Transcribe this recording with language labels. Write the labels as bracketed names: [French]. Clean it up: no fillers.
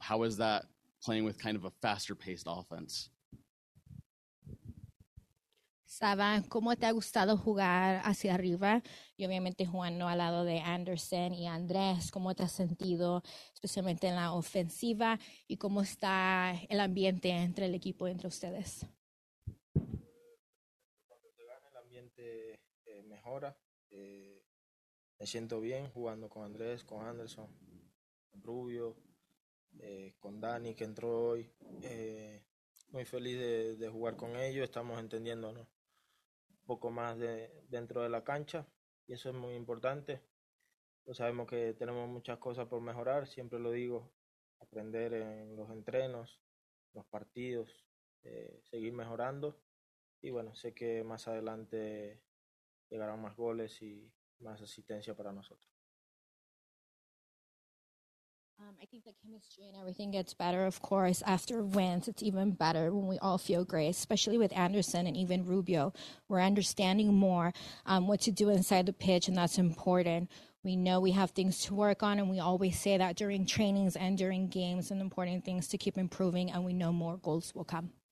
[English] How is that playing with kind of a faster paced offense? [Spanish] Saban, ¿cómo te ha gustado jugar hacia arriba? Y obviamente jugando al lado de Anderson y Andrés, ¿cómo te has sentido, especialmente en la ofensiva? ¿Y cómo está el ambiente entre el equipo, entre ustedes? Cuando se gana, el ambiente mejora. Me siento bien jugando con Andrés, con Anderson, con Rubio, con Dani, que entró hoy. Muy feliz de jugar con ellos, estamos entendiendo, ¿no? Poco más de dentro de la cancha y eso es muy importante. Pues sabemos que tenemos muchas cosas por mejorar, siempre lo digo, aprender en los entrenos, los partidos, seguir mejorando y bueno, sé que más adelante llegarán más goles y más asistencia para nosotros. [English] I think the chemistry and everything gets better, of course. After wins, it's even better when we all feel great, especially with Anderson and even Rubio. We're understanding more what to do inside the pitch, and that's important. We know we have things to work on, and we always say that during trainings and during games, and important things to keep improving, and we know more goals will come.